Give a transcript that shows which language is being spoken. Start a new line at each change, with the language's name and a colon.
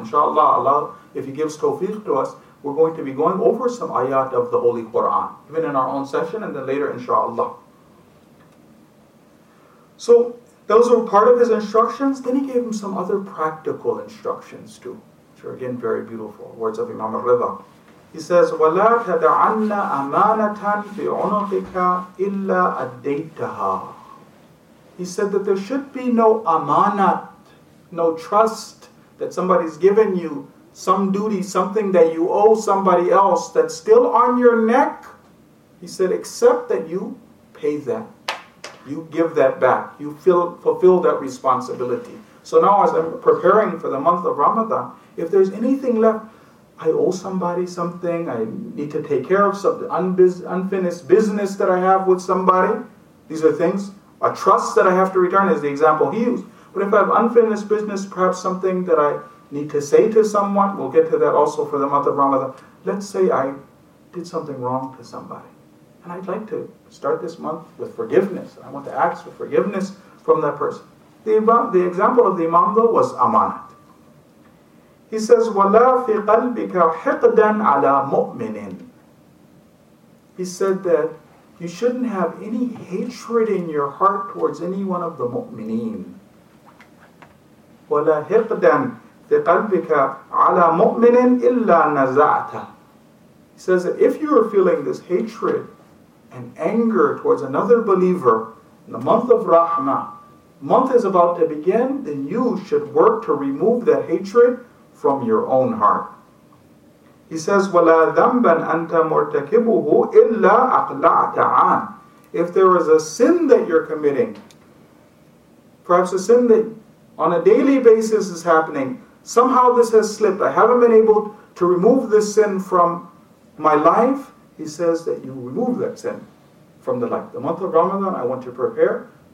English: Inshallah, Allah, if He gives tawfiq to us, we're going to be going over some ayat of the Holy Qur'an, even in our own session, and then later, inshallah. So, those were part of his instructions. Then he gave him some other practical instructions too, which are again very beautiful. Words of Imam al-Ridha.
Arabic: He says, وَلَا تَدَعَنَّ أَمَانَةً بِعُنُقِكَ إِلَّا أَدَّيْتَهَا.
English: He said that there should be no amanat, no trust that somebody's given you, some duty, something that you owe somebody else that's still on your neck. He said, except that you pay that. You give that back. You fulfill that responsibility. So now as I'm preparing for the month of Ramadan, if there's anything left, I owe somebody something, I need to take care of some unfinished business that I have with somebody. These are things, a trust that I have to return is the example he used. But if I have unfinished business, perhaps something that I need to say to someone, we'll get to that also for the month of Ramadan. Let's say I did something wrong to somebody. And I'd like to start this month with forgiveness. I want to ask for forgiveness from that person. The example of the Imam though was amanat.
Arabic: He says, وَلَا فِي قَلْبِكَ حِقْدًا عَلَىٰ مُؤْمِنٍ.
English: He said that you shouldn't have any hatred in your heart towards any one of the mu'mineen.
Arabic: وَلَا حِقْدًا فِي قَلْبِكَ عَلَىٰ مُؤْمِنٍ إِلَّا نَزَعْتَ.
English: He says that if you are feeling this hatred and anger towards another believer in the month of Rahmah, month is about to begin, then you should work to remove that hatred from your own heart.
Arabic: He says, وَلَا ذَنْبًا أَنْتَ مُرْتَكِبُهُ إِلَّا أَقْلَعْتَ عَنْ.
English: If there is a sin that you're committing, perhaps a sin that on a daily basis is happening, somehow this has slipped, I haven't been able to remove this sin from my life, he says that you remove that sin from the life. The month of Ramadan, I want to prepare.